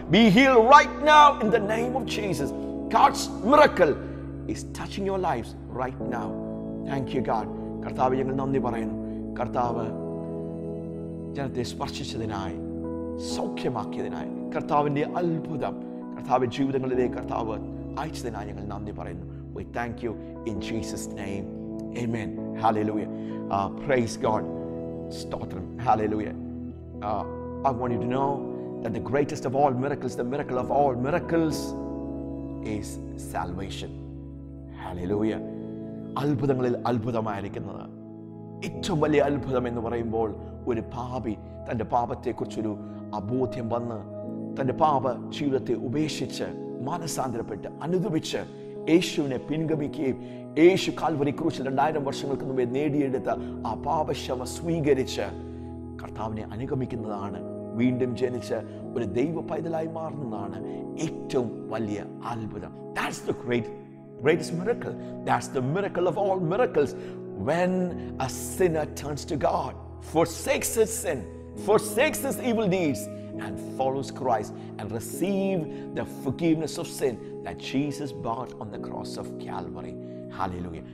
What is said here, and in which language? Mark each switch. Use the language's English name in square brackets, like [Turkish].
[English] Be healed right now in the name of Jesus. God's miracle is touching your lives right now. Thank you, God. [Malayalam] കർത്താവ്, ഞങ്ങൾ നന്ദി പറയുന്നു. കർത്താവ്, ജനത്തെ സ്പർശിച്ചതിനായി, സൗഖ്യമാക്കിയതിനായി, കർത്താവിന്റെ അത്ഭുതം കർത്താവിന്റെ ജീവിതങ്ങളിലേക്ക് കർത്താവ് അയച്ചതിനായി ഞങ്ങൾ നന്ദി പറയുന്നു. [English] We thank you in Jesus' name. Amen. Hallelujah. Praise God. Stotram. Hallelujah. I want you to know that the greatest of all miracles, the miracle of all miracles, is salvation. Hallelujah. [Malayalam] അത്ഭുതങ്ങളിൽ അത്ഭുതമായിരിക്കുന്നത്, ഏറ്റവും വലിയ അത്ഭുതം എന്ന് പറയുമ്പോൾ, ഒരു പാപി തൻ്റെ പാപത്തെക്കുറിച്ചൊരു അബോധ്യം വന്ന് തൻ്റെ പാപ ജീവിതത്തെ ഉപേക്ഷിച്ച് മാനസാന്തരപ്പെട്ട് അനുദിപിച്ച് യേശുവിനെ പിൻഗമിക്കുകയും യേശു കാൽവരി ക്രൂശിൽ 2000 വർഷങ്ങൾക്ക് മുമ്പേ നേടിയെടുത്ത ആ പാപക്ഷമ സ്വീകരിച്ച് കർത്താവിനെ അനുഗമിക്കുന്നതാണ്, വീണ്ടും ജനിച്ച് ഒരു ദൈവ പൈതലായി മാറുന്നതാണ് ഏറ്റവും വലിയ അത്ഭുതം. [English] That's the greatest miracle. That's the miracle of all miracles. When a sinner turns to God, forsakes his sin, forsakes his evil deeds, and follows Christ and receive the forgiveness of sin that Jesus bought on the cross of Calvary. Hallelujah.